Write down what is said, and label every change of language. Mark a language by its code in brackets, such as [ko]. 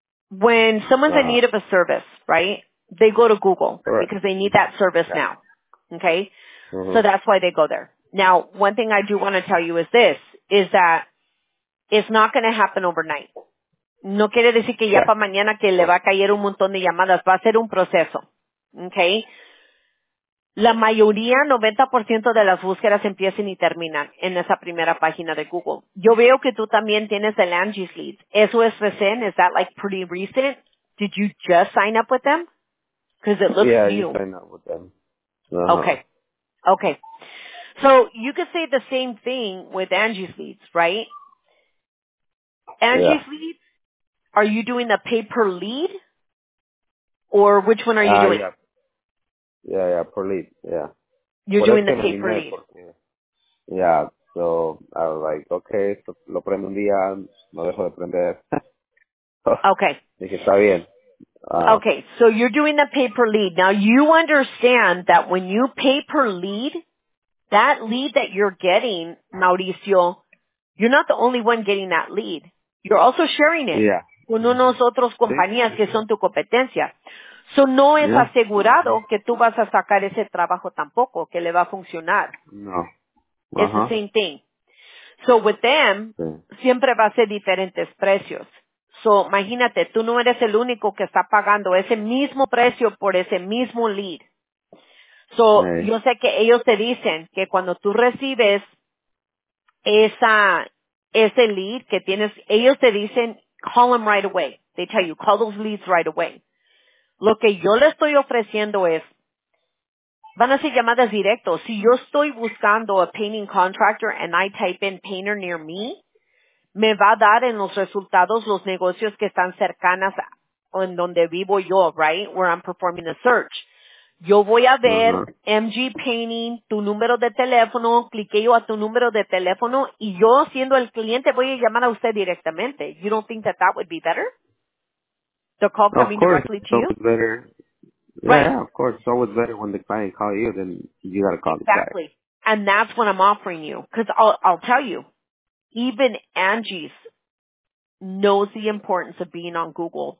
[en] When someone's in need of a service, right, they go to Google because they need that service now, okay? Mm-hmm. So that's why they go there. Now, one thing I do want to tell you is this, is that it's not going to happen overnight. [es] No quiere decir que ya para mañana que le va a caer un montón de llamadas. Va a ser un proceso, okay? La mayoría, 90% de las búsquedas empiezan y terminan en esa primera página de Google. Yo veo que tú también tienes el Angie's Leads. ¿Eso es recién? ¿Es [en] that like pretty recent? ¿Did you just sign up with them? Because it looks new. Yeah, you signed up with them. Okay. Okay. So you could say the same thing with Angie's Leads, right? Angie's Leads, are you doing the pay per lead? Or which one are you doing? Yeah, per lead, You're doing the pay per lead. [es] Porque, [en] so I was like, okay, so, [es] lo prendo un día, no dejo de prender. [en] Okay. [es] Dije, está bien. [en] Okay, so you're doing the pay per lead. Now you understand that when you pay per lead, that lead that you're getting, Mauricio, you're not the only one getting that lead. You're also sharing it. Yeah. [es] Con unos otros compañías que son tu competencia. So, no es asegurado que tú vas a sacar ese trabajo tampoco, que le va a funcionar. No. [en] It's the same thing. So, with them, [es] siempre va a ser diferentes precios. So, imagínate, tú no eres el único que está pagando ese mismo precio por ese mismo lead. So, yo sé que ellos te dicen que cuando tú recibes ese lead que tienes, ellos te dicen, [en] call them right away. They tell you, call those leads right away. [es] Lo que yo le estoy ofreciendo es, van a ser llamadas directas. Si yo estoy buscando a [en] painting contractor and I type in painter near me, [es] me va a dar en los resultados los negocios que están cercanas en donde vivo yo, right? [en] Where I'm performing a search. [es] Yo voy a ver MG Painting, tu número de teléfono, cliqueo a tu número de teléfono y yo siendo el cliente voy a llamar a usted directamente. [en] You don't think that would be better? The call coming directly to you? Better. Yeah, right. Of course. It's always better when the client calls you than you got to call exactly. the client. Exactly. And that's what I'm offering you. Because I'll tell you, even Angie's knows the importance of being on Google.